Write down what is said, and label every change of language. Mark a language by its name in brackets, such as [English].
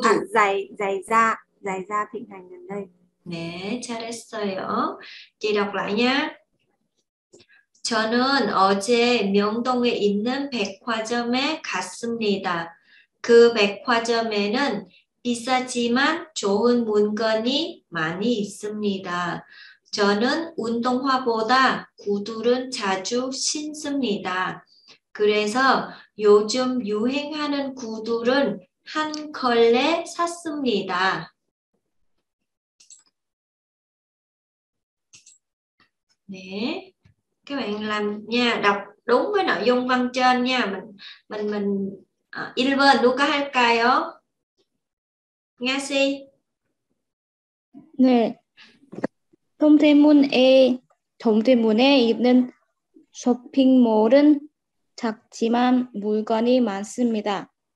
[Vietnamese] Giày da thịnh hành gần đây. Nè, [Korean] 잘했어요. [Vietnamese] Chị đọc lại nhá. [Korean] 저는 어제 명동에 있는 백화점에 갔습니다. 그 백화점에는 비싸지만 좋은 물건이 많이 있습니다. 저는 운동화보다 구두를 자주 신습니다. 그래서 요즘 유행하는 구두를 한 걸레 샀습니다. [Vietnamese] 네, các bạn làm nha, đọc đúng với nội dung văn trên nha. [Korean] Mình 1번 누가 할까요? 네. 동대문에 있는 쇼핑몰은 작지만 물건이 많습니다.